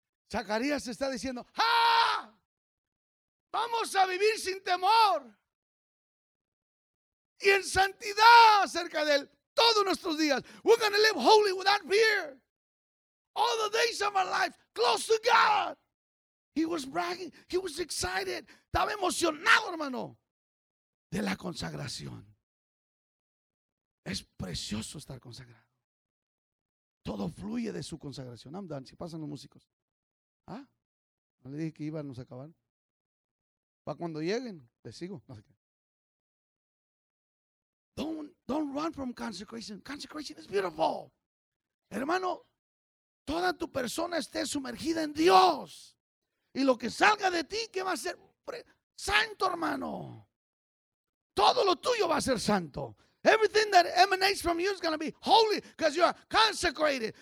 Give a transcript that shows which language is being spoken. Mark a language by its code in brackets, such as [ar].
[es] Zacarías está diciendo, ¡ja! Vamos a vivir sin temor y en santidad acerca de él todos nuestros días. [en] We're going to live holy without fear. All the days of our life, close to God. He was bragging. He was excited. [es] Estaba emocionado, hermano, de la consagración. Es precioso estar consagrado. Todo fluye de su consagración. [en] I'm done. [es] Si pasan los músicos. ¿Ah? ¿No le dije que íbamos a acabar? Para cuando lleguen, les sigo. No sé qué. [en] Don't run from consecration. Consecration is beautiful. [es] Hermano, toda tu persona esté sumergida en Dios. Y lo que salga de ti, ¿qué va a ser? Santo, hermano. Todo lo tuyo va a ser santo. [en] Everything that emanates from you is going to be holy because you are consecrated.